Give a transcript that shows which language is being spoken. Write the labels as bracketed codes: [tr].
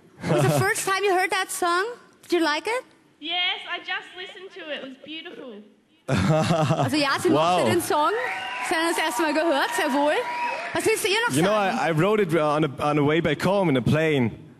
[en] Was the first time you heard that song? Did you like it? Yes, I just listened to it. It was beautiful. [de] Also ja, sie mochte den Song. Sie haben das erste Mal gehört, sehr wohl. Was willst du ihr noch sagen? [en] You know, I wrote it on a way back home in a plane.